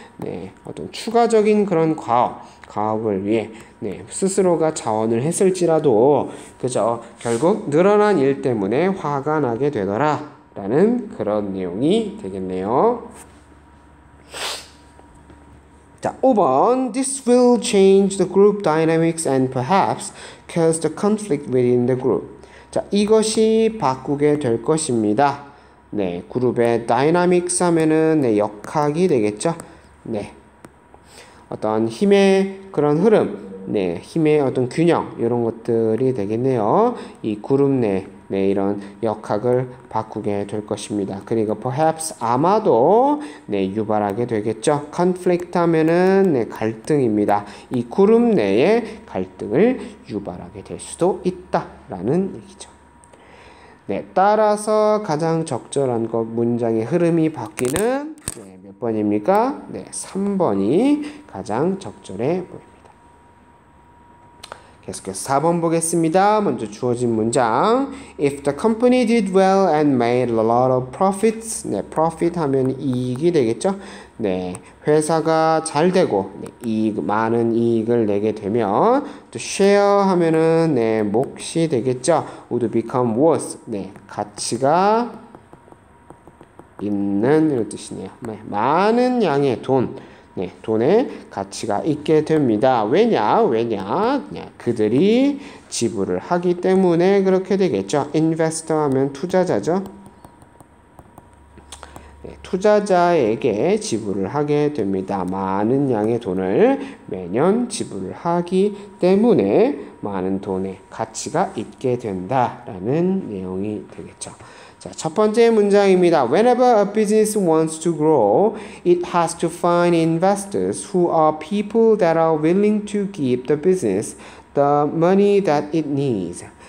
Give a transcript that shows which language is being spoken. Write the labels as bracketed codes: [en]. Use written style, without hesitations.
[ko] 네, 어떤 추가적인 그런 과업을 위해 네, 스스로가 자원을 했을지라도 그저 결국 늘어난 일 때문에 화가 나게 되더라라는 그런 내용이 되겠네요. 자, 5번. [en] This will change the group dynamics and perhaps cause the conflict within the group. [ko] 자, 이것이 바꾸게 될 것입니다. 네, 그룹의 다이나믹스 하면은 네, 역학이 되겠죠. 네, 어떤 힘의 그런 흐름, 네, 힘의 어떤 균형 이런 것들이 되겠네요. 이 그룹 내, 네, 이런 역학을 바꾸게 될 것입니다. 그리고 perhaps 아마도 네, 유발하게 되겠죠. conflict 하면은 네, 갈등입니다. 이 그룹 내에 갈등을 유발하게 될 수도 있다라는 얘기죠. 네, 따라서 가장 적절한 것 문장의 흐름이 바뀌는 네, 몇 번입니까? 네, 3번이 가장 적절해 보입니다. 계속해서 4번 보겠습니다. 먼저 주어진 문장. [en] If the company did well and made a lot of profits, [ko] 네, profit 하면 이익이 되겠죠? 네, 회사가 잘 되고, 네, 이익, 많은 이익을 내게 되면, 또 share 하면은, 네, 몫이 되겠죠? [en] would become worth, [ko] 네, 가치가 있는, 이런 뜻이네요. 네, 많은 양의 돈. 네, 돈의 가치가 있게 됩니다. 왜냐? 왜냐? 그들이 지불을 하기 때문에 그렇게 되겠죠. investor 하면 투자자죠. 네, 투자자에게 지불을 하게 됩니다. 많은 양의 돈을 매년 지불을 하기 때문에 많은 돈의 가치가 있게 된다라는 내용이 되겠죠. 자, 첫 번째 문장입니다. [en] Whenever a business wants to grow, it has to find investors who are people that are willing to give the business the money that it needs.